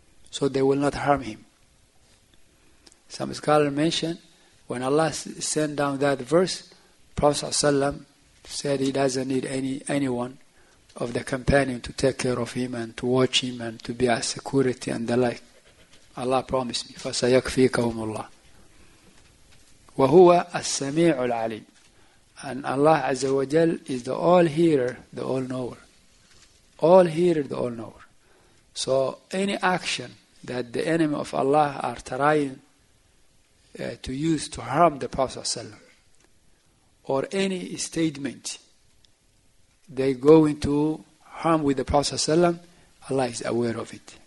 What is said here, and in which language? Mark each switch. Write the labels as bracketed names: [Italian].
[English] So they will not harm him. Some scholars mention when Allah sent down that verse, Prophet ﷺ said he doesn't need anyone of the companion to take care of him and to watch him and to be at security and the like. Allah promised me, [Arabic] فَسَيَكْفِيكَهُمُ اللَّهِ وَهُوَ السَّمِيعُ الْعَلِيمُ. [English] And Allah Azza wa Jal is the all-hearer, the all-knower. All-hearer, the all-knower. So any action that the enemy of Allah are trying to use to harm the Prophet ﷺ, or any statement they go into harm with the Prophet ﷺ, Allah is aware of it.